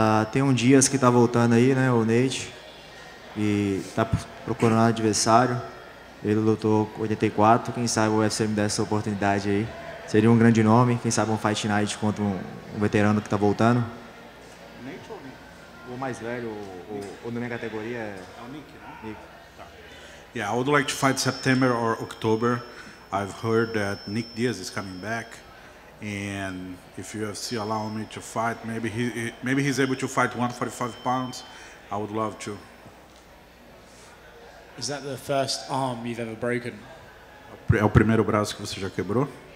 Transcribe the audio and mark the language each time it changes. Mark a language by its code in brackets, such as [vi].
[pt] Tem um Dias que está voltando aí, né, o Nate, e está procurando adversário. Ele lutou 84, quem sabe o UFC me der essa oportunidade aí. Seria um grande nome, quem sabe um Fight Night contra um veterano que está voltando. Nate ou o mais velho, ou na minha categoria é... É o Nick, né? Nick. Tá. [en] Yeah, I would like to fight September or October. I've heard that Nick Diaz is coming back. And if UFC allow me to fight, maybe he's able to fight 145 pounds. I would love to. Is that the first arm you've ever broken? [pt] É o primeiro braço que você já quebrou?